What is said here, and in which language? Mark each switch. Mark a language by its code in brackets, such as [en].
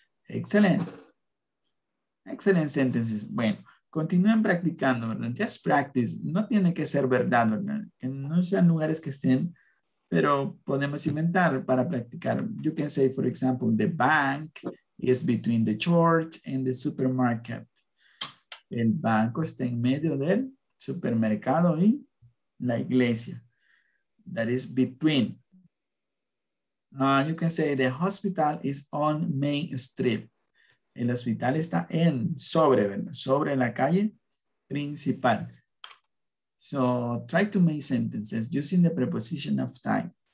[en] Excellent. Excellent sentences. [es] Bueno, continúen practicando, ¿verdad? [en] Just practice. [es] No tiene que ser verdad, ¿verdad? Que no sean lugares que estén, pero podemos inventar para practicar. [en] You can say, for example, the bank is between the church and the supermarket. [es] El banco está en medio del supermercado y la iglesia. [en] That is between. You can say the hospital is on Main Street. [es] El hospital está en, sobre, ¿verdad? Sobre la calle principal. [en] So, try to make sentences using the preposition of time.